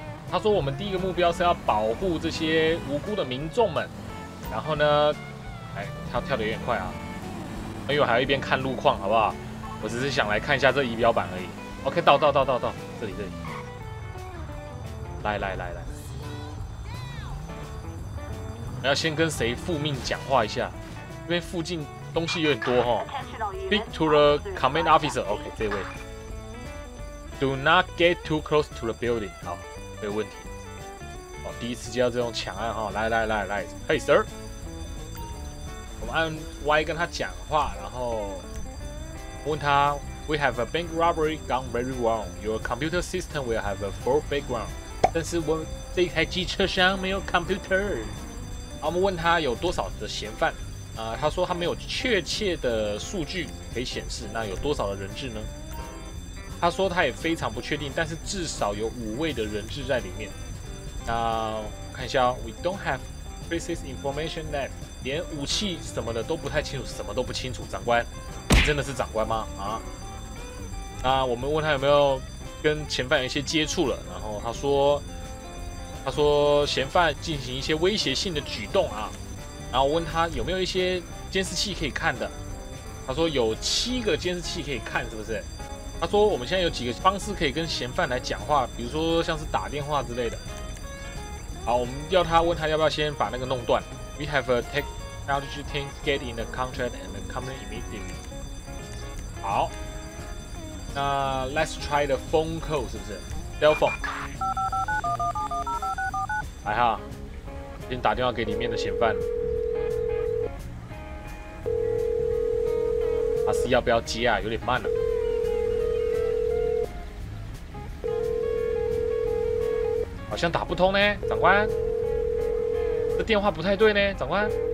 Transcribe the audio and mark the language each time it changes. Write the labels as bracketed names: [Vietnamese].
[Chinese] 他说我们第一个目标是要保护这些无辜的民众们，然后呢，哎，跳得有点快啊，因为我还要一边看路况，好不好？我只是想来看一下这仪表板而已。OK， 到，这里，来，我要先跟谁复命讲话一下，因为附近。东西有点多哈 [English] ，Speak to the command officer. OK， [Chinese] 这位 [English] ，Do not get too close to the building. [Chinese] 好，没有问题。哦，第一次接到这种抢案哈，来 ， [English] Hey sir， [Chinese] 我们按 Y 跟他讲话，然后问他 ， [English] We have a bank robbery gone very wrong. Your computer system will have a full background. [Chinese] 但是我这台机车上没有 computer。我们问他有多少的嫌犯。他说他没有确切的数据可以显示，那有多少的人质呢？他说他也非常不确定，但是至少有5位的人质在里面。那看一下 ， [English] We don't have precise information yet， [Chinese] 连武器什么的都不太清楚，什么都不清楚。长官，你真的是长官吗？啊？那我们问他有没有跟嫌犯有一些接触了，然后他说嫌犯进行一些威胁性的举动啊。然后问他有没有一些监视器可以看的，他说有7个监视器可以看，是不是？他说我们现在有几个方式可以跟嫌犯来讲话，比如说像是打电话之类的。好，我们要他问他要不要先把那个弄断。 [English] We have a technology team get in the contract and come immediately。 [Chinese] 好，那 [English] let's try the phone call， [Chinese] 是不是 [English] ？Cell phone。 [Chinese] 来哈，先打电话给里面的嫌犯。他是要不要接啊？有点慢了、啊。好像打不通呢，长官，这电话不太对呢，长官。